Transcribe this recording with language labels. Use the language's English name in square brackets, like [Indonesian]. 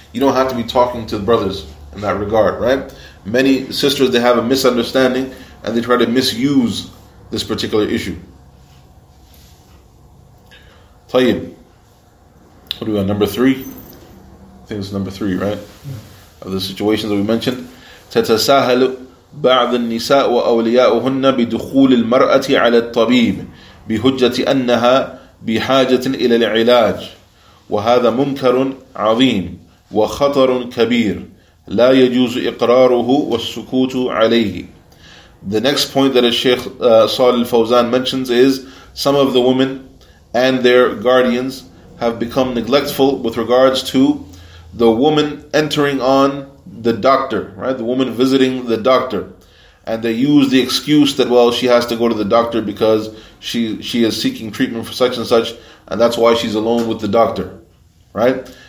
[English] You don't have to be talking to the brothers in that regard, right? Many sisters, they have a misunderstanding and they try to misuse this particular issue. Tayyib. What do we got? Number three? I think it's number three, right? Yeah. Of the situations that we mentioned. [Arabic] Tatasahalu بعض النساء وأولياؤهن بدخول المرأة على الطبيب بحجة أنها بحاجة إلى العلاج وهذا منكر عظيم وخطر كبير لا يجوز إقراره والسكوت عليه. [English] The next point that Sheikh Salih Al-Fawzan mentions is some of the women and their guardians have become neglectful with regards to the woman entering on the doctor, right? The woman visiting the doctor. And they use the excuse that, well, she has to go to the doctor because she is seeking treatment for such and such, and that's why she's alone with the doctor, right?